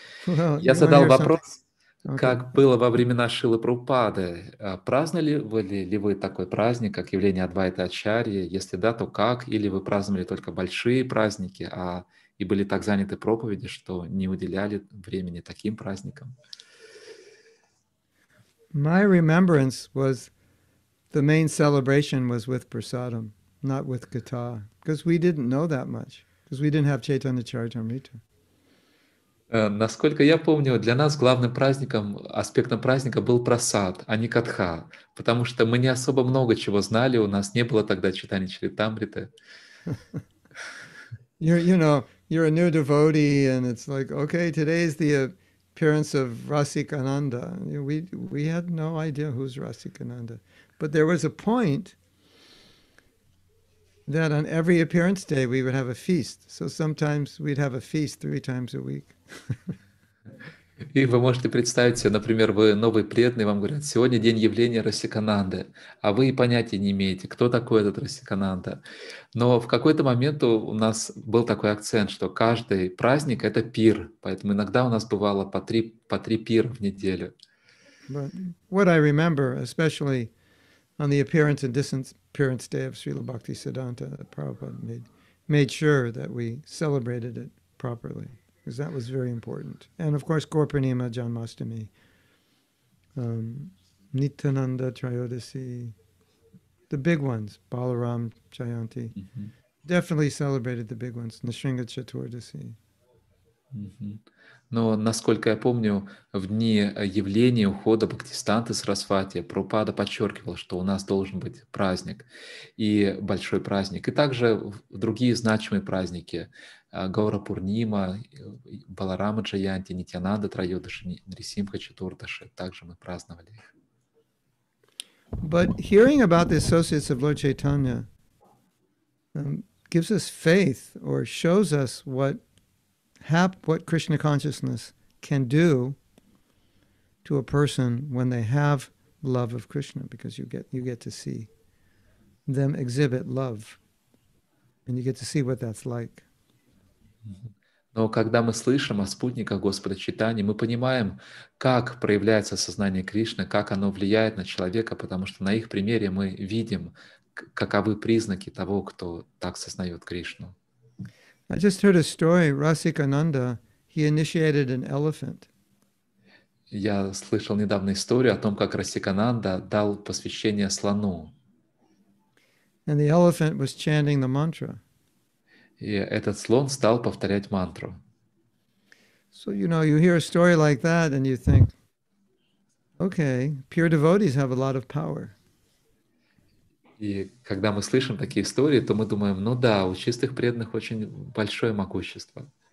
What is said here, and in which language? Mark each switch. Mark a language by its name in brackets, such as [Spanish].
[English] Well, [Russian] я задал вопрос, как было во времена Шрилы Прабхупады. Праздновали ли вы такой праздник, как явление Адвайта Ачарьи? Если да, то как? Или вы праздновали только большие праздники, а и были так заняты проповеди, что не уделяли времени таким праздникам? [English] My remembrance was the main celebration was with prasadam, not with kata, because we didn't know that much, because we didn't have Chaitanya Charitamrita. [Russian] Насколько я помню, для нас главным праздником, аспектом праздника был прасад, а не катха, потому что мы не особо много чего знали, у нас не было тогда читания Чаритамриты. [English] You know, you're a new devotee, and it's like, okay, today is the appearance of Rasikananda. We had no idea who's Rasikananda. But there was a point that on every appearance day we would have a feast. So sometimes we'd have a feast three times a week. [Russian] И вы можете представить себе, например, вы новый преданный, вам говорят, сегодня день явления Расикананды, а вы и понятия не имеете, кто такой этот Расикананда. Но в какой-то момент у нас был такой акцент, что каждый праздник — это пир, поэтому иногда у нас бывало по три пира в неделю. [English] But what I remember, especially on the appearance and disappearance day of Srila Bhakti Siddhanta, that Prabhupada made sure that we celebrated it properly. Because that was very important. And of course, Gorpanima, Janmashtami, Nityananda Trayodasi, the big ones, Balaram Jayanti, definitely celebrated the big ones, Nisringa Chaturdasi. [Russian] Но, насколько я помню, в дни явления ухода Бхактистанты с Расвати Прабхупада подчеркивал, что у нас должен быть праздник, и большой праздник, и также другие значимые праздники Гаура Пурнима, Баларама Джаянти, Нитянанда Трайодаши, Нрисимха Чатурдаши, также мы праздновали их. [English] But hearing about the associates of Lord Chaitanya gives us faith or shows us what Krishna consciousness can do to a person when they have love of Krishna, because you get to see them exhibit love, and you get to see what that's like. [Russian] Но когда мы слышим о спутниках Господа Чайтаньи, мы понимаем, как проявляется сознание Кришны, как оно влияет на человека, потому что на их примере мы видим, каковы признаки того, кто так сознает Кришну. [English] I just heard a story, Rasikananda, he initiated an elephant. [Russian] Я слышал недавно историю о том, как Расикананда дал посвящение слону. [English] And the elephant was chanting the mantra. [Russian] И этот слон стал повторять мантру. [English] So, you know, you hear a story like that and you think, okay, pure devotees have a lot of power. [Russian] И когда мы слышим такие истории, то мы думаем, ну да, у чистых преданных очень большое могущество.